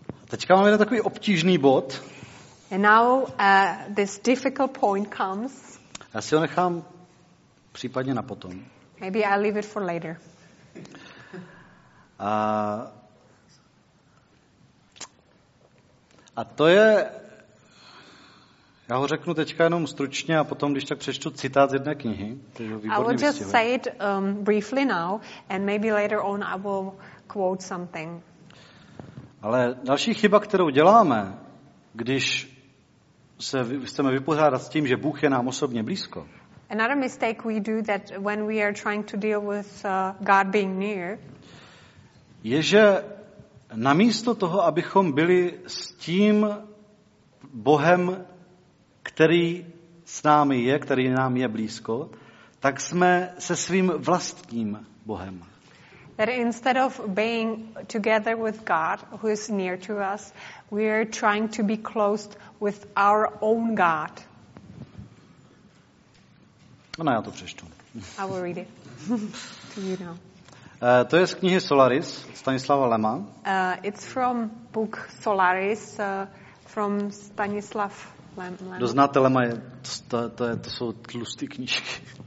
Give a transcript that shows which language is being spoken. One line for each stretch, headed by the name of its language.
Czech: Teďka máme takový obtížný bod.
English: And now this difficult point comes.
Czech: Já si ho nechám případně na potom.
English: Maybe I leave it for later.
Czech: A to je, já ho řeknu teďka jenom stručně a potom, když tak přečtu citát z jedné knihy, takže výborný vystihuje.
English: I will just say it briefly now and maybe later on I will quote something.
Czech: Ale další chyba, kterou děláme, když se chceme vypořádat s tím, že Bůh je nám osobně blízko.
English: Another mistake we do that when we are trying to deal with God being near.
Czech: Je, že namísto toho, abychom byli s tím Bohem, který s námi je, který nám je blízko, tak jsme se svým vlastním Bohem.
English: That instead of being together with God, who is near to us, we are trying to be close with our own God.
Czech: No, já to přečtu.
English: I will read it. To you know.
Czech: To je z knihy Solaris Stanislava Lema.
English: It's from book Solaris from Stanislav Lem.
Czech: Kdo znáte Lema, je to jsou tlusté knížky.